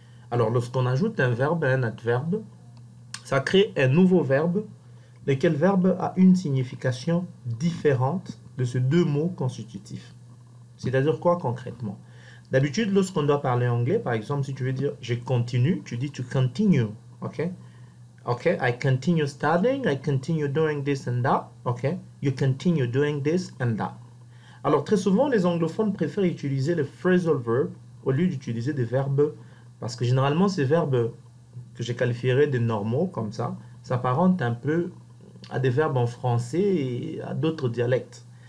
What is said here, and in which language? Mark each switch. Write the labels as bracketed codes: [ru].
[fr] Alors, lorsqu'on ajoute un verbe à un adverbe, ça crée un nouveau verbe, lequel verbe a une signification différente de ces deux mots constitutifs. C'est-à-dire quoi concrètement? D'habitude, lorsqu'on doit parler anglais, par exemple, si tu veux dire je continue, tu dis to continue, ok? [en] Ok, I continue studying, I continue doing this and that. Ok, you continue doing this and that. [fr] Alors, très souvent, les anglophones préfèrent utiliser le phrasal verb au lieu d'utiliser des verbes, parce que généralement, ces verbes que je qualifierais de normaux, comme ça, s'apparentent un peu à des verbes en français et à d'autres dialectes.